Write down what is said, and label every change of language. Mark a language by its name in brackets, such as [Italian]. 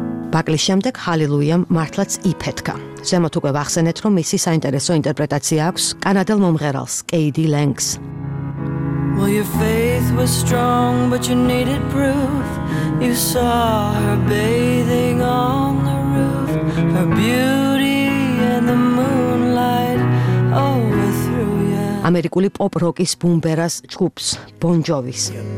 [Georgian] ბაკლის შემდეგ ჰალელუიამ მართლაც იფეთქა. ზემოთ უკვე ვახსენეთ, რომ მისი საინტერესო ინტერპრეტაცია აქვს კანადელ მომღერალს, კეიდი ლენგს. [English] Well, your faith was strong, but you needed proof. You saw her bathing on the roof. Her beauty and the moonlight overthrew you. [Georgian] ამერიკული პოპ-როკის ბუმბერას ჯგუფს, Bon Jovi's.